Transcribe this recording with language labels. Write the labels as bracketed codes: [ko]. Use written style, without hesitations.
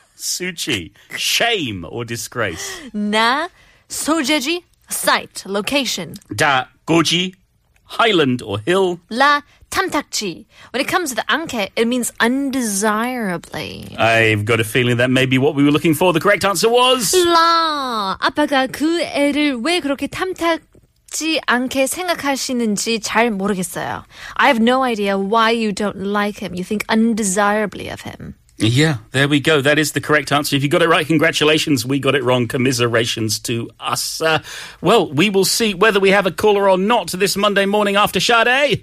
[en] suchi, shame or disgrace. Na, sojeji, site, location. Da, goji, highland or hill. La, tamtakji. When it comes to the anke, it means undesirably. I've got a feeling that maybe what we were looking for, the correct answer was... [ko] La, 아빠가 그 애를 왜 그렇게 탐탁... 않게 생각하시는지 잘 모르겠어요. [en] I have no idea why you don't like him. You think undesirably of him. Yeah, there we go. That is the correct answer. If you got it right, congratulations. We got it wrong. Commiserations to us. Well, we will see whether we have a caller or not this Monday morning after Sade.